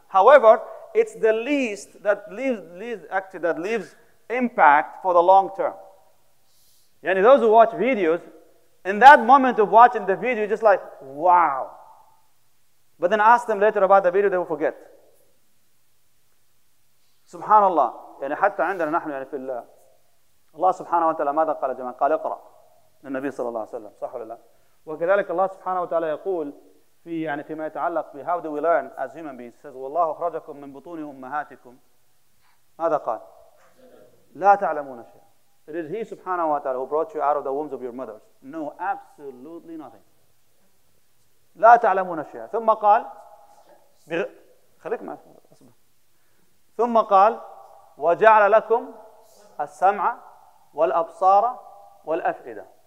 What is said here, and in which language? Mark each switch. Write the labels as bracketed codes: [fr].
[en] However, it's the least that leaves impact for the long term. Yani those who watch videos, in that moment of watching the video, you're just like, wow. But then ask them later about the video, they will forget. Subhanallah. [ar] Yani hatta عندنا نحن يعني في الله. Allah subhanahu wa ta'ala ماذا قال جماعة؟ قال اقرأ. النبي صلى الله عليه وسلم صح ولا لا؟ وكذلك الله سبحانه وتعالى يقول في يعني فيما يتعلق ب [en] how do we learn as human beings says [ar] والله أخرجكم من بطون أمهاتكم ماذا قال؟ لا تعلمون شيئا [en] It is He subhanahu wa ta'ala who brought you out of the wombs of your mothers. No, absolutely nothing. [ar] لا تعلمون شيئا. ثم قال خليك معي ثم قال وجعل لكم السمع والأبصار والأفئدة.